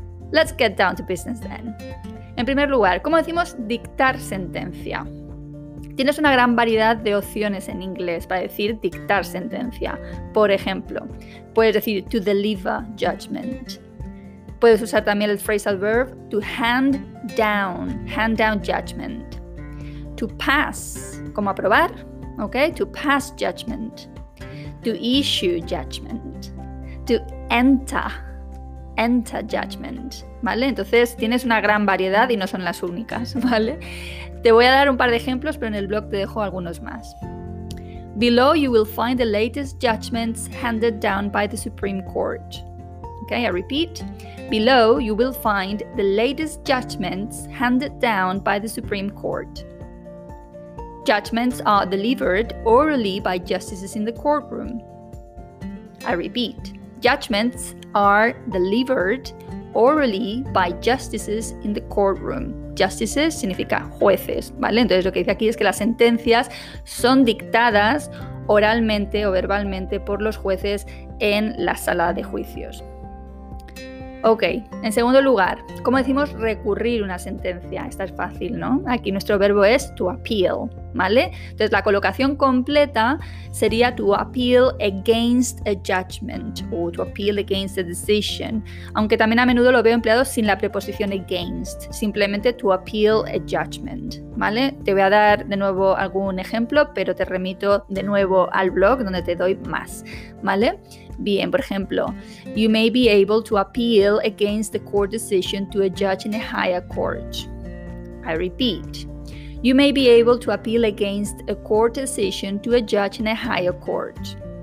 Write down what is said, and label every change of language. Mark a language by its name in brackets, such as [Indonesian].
[English] Let's get down to business then. [Spanish] En primer lugar, ¿cómo decimos dictar sentencia? Tienes una gran variedad de opciones en inglés para decir dictar sentencia. Por ejemplo, puedes decir [English] to deliver judgment. [Spanish] Puedes usar también el phrasal verb [English] to hand down judgment. To pass, [Spanish] como aprobar, [English] ¿ok? To pass judgment. To issue judgment. To enter judgment, ¿vale? [Spanish] Entonces tienes una gran variedad y no son las únicas, ¿vale? Te voy a dar un par de ejemplos, pero en el blog te dejo algunos más. [English] Below you will find the latest judgments handed down by the Supreme Court. Okay, I repeat. Below, you will find the latest judgments handed down by the Supreme Court. Judgments are delivered orally by justices in the courtroom. I repeat. Judgments are delivered orally by justices in the courtroom. [Spanish] Justices significa jueces, ¿vale? Entonces, lo que dice aquí es que las sentencias son dictadas oralmente o verbalmente por los jueces en la sala de juicios. Ok, en segundo lugar, ¿cómo decimos recurrir una sentencia? Esta es fácil, ¿no? Aquí nuestro verbo es to appeal, ¿vale? Entonces la colocación completa sería [English] to appeal against a judgment [Spanish] o [English] to appeal against a decision, [Spanish] aunque también a menudo lo veo empleado sin la preposición against, simplemente [English] to appeal a judgment, [Spanish] ¿vale? Te voy a dar de nuevo algún ejemplo, pero te remito de nuevo al blog donde te doy más, ¿vale? Bien, por ejemplo, [English] you may be able to appeal against the court decision to a judge in a higher court. I repeat. You may be able to appeal against a court decision to a judge in a higher court.